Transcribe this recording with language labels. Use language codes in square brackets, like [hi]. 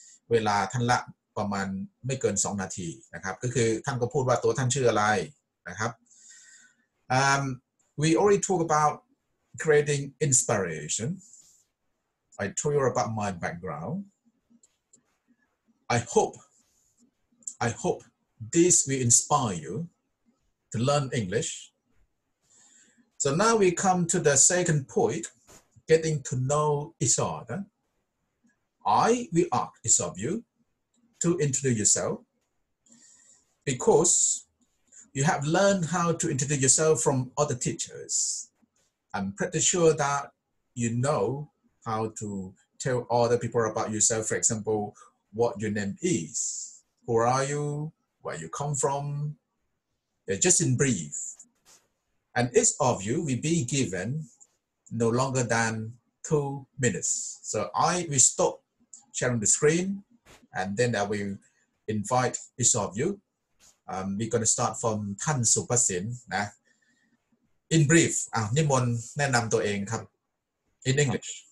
[th] เวลาท่านละประมาณไม่เกิน2นาทีนะครับก็คือท่านก็พูดว่าตัวท่านชื่ออะไรนะครับ [en] we already talk about creating inspiration I told you about my background I hope this will inspire you to learn EnglishSo now we come to the second point, getting to know each other. I will ask each of you to introduce yourself because you have learned how to introduce yourself from other teachers. I'm pretty sure that you know how to tell other people about yourself, for example, what your name is, who are you, where you come from, yeah, just in brief. And each of you will be given no longer than 2 minutes. So I will stop sharing the screen, and then I will invite each of you. We're going to start from Than Supasin. Nah. In brief, Nimon, [th] แนะนำตัวเองครับ [en] in English.